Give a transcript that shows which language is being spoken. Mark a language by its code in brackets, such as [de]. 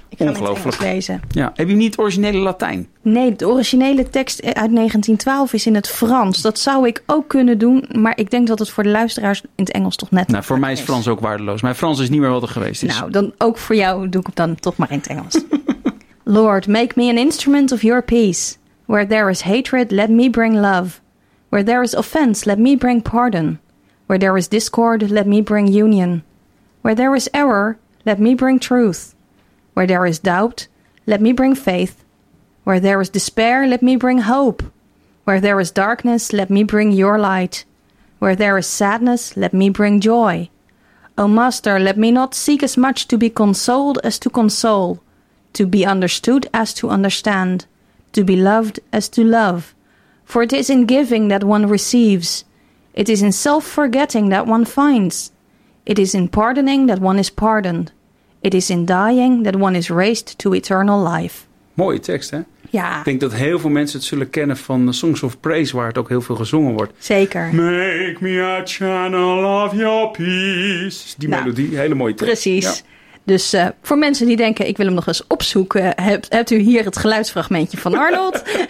[nl] Ja, ongelooflijk. Ik ga het Engels lezen. Ja. Heb je niet het originele Latijn? Nee, de originele tekst uit 1912 is in het Frans. Dat zou ik ook kunnen doen. Maar ik denk dat het voor de luisteraars in het Engels toch net... Nou, voor mij is Frans ook waardeloos. Mijn Frans is niet meer wat er geweest is. Nou, dan ook voor jou doe ik het dan toch maar in het Engels. [en] Lord, make me an instrument of your peace. Where there is hatred, let me bring love. Where there is offense, let me bring pardon. Where there is discord, let me bring union. Where there is error, let me bring truth. Where there is doubt, let me bring faith. Where there is despair, let me bring hope. Where there is darkness, let me bring your light. Where there is sadness, let me bring joy. O Master, let me not seek as much to be consoled as to console, to be understood as to understand, to be loved as to love. For it is in giving that one receives. It is in self-forgetting that one finds. It is in pardoning that one is pardoned. It is in dying that one is raised to eternal life. [nl] Mooie tekst, hè? Ja. Ik denk dat heel veel mensen het zullen kennen van de Songs of Praise, waar het ook heel veel gezongen wordt. Zeker. [en] Make me a channel of your peace. [nl] Die nou, melodie, hele mooie tekst. Precies. Ja. Dus voor mensen die denken, ik wil hem nog eens opzoeken, hebt u hier het geluidsfragmentje van Arnold.